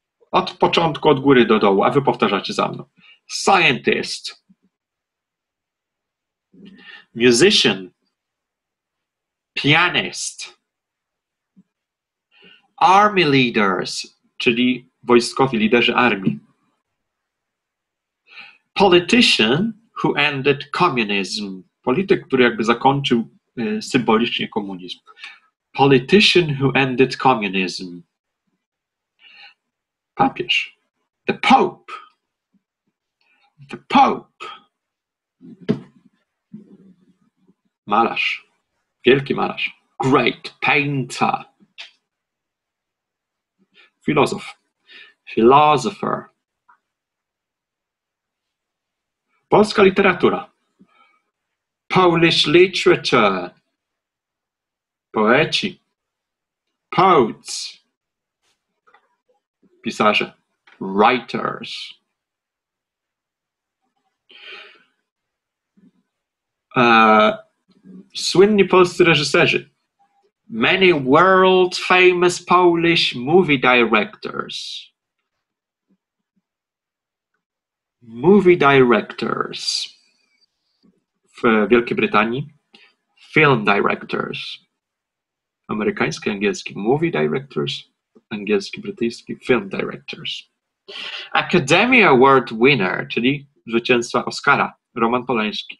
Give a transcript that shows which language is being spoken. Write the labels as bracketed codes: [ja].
[pl] Od początku, od góry do dołu, a wy powtarzacie za mną. Scientist. [en] Musician. Pianist. Army leaders, [pl] czyli wojskowi, liderzy armii. [en] Politician who ended communism. [pl] Polityk, który jakby zakończył symbolicznie komunizm. [en] Politician who ended communism. Papież. The Pope. The Pope. [pl] Malarz. Wielki malarz. [en] Great painter. [pl] Filozof. Philosopher. Polska literatura. [en] Polish literature. [pl] Poeci. Poets. Pisarze. Writers. Słynni polscy reżyserzy. [en] Many world famous Polish movie directors. Movie directors [pl] w Wielkiej Brytanii. [en] Film directors. [pl] Amerykański, angielski. [en] Movie directors. [pl] Angielski, brytyjski. [en] Film directors. Academy Award winner, [pl] czyli zwycięzca Oscara. Roman Polański.